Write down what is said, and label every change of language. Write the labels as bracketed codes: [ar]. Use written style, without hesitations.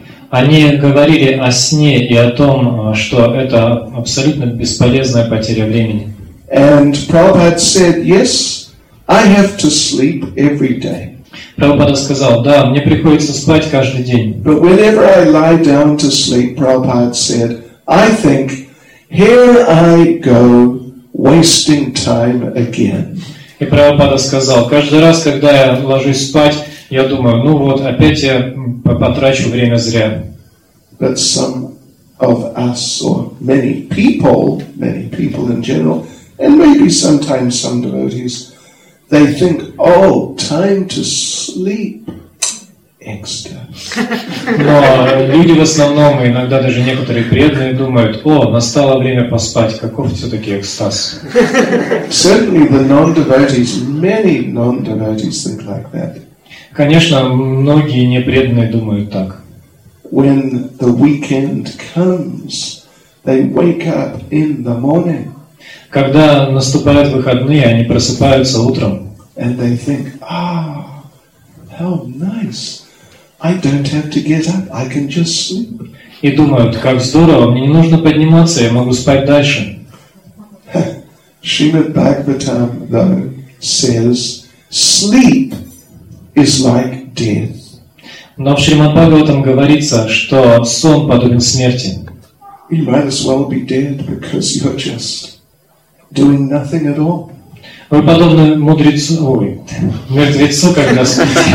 [ru] Они говорили о сне и о том, что это абсолютно бесполезная потеря времени. [en] And Prabhupada said, yes, I have to sleep every day. [ru] Прабхупада сказал, да, мне приходится спать каждый день. [en] But whenever I lie down to sleep, Prabhupada said, I think, here I go, wasting time again. [ru] И Прабхупада сказал, каждый раз, когда я ложусь спать, я думаю, ну вот, опять я потрачу время зря. [en] But some of us, or many people in general, and maybe sometimes some devotees, they think, oh, time to sleep. [ru] Но люди в основном, иногда даже некоторые преданные думают, о, настало время поспать, каков все-таки экстаз? [en] Certainly the non-devotees, many non-devotees think like that. [ru] Конечно, многие непреданные думают так. [en] When the weekend comes, they wake up in the morning. [ru] Когда наступают выходные, они просыпаются утром. [en] And they think, ah, how nice. I don't have to get up. I can just sleep. [ru] И думают, как здорово, мне не нужно подниматься, я могу спать дальше. [en] Srimad Bhagavatam, though, says, sleep is like death. [ru] Но в Шримад Бхагаватам говорится, что сон подобен смерти. [en] You might as well be dead because you're just doing nothing at all. [ru] Вы подобны мудрецу, ой, мертвецу, когда спите.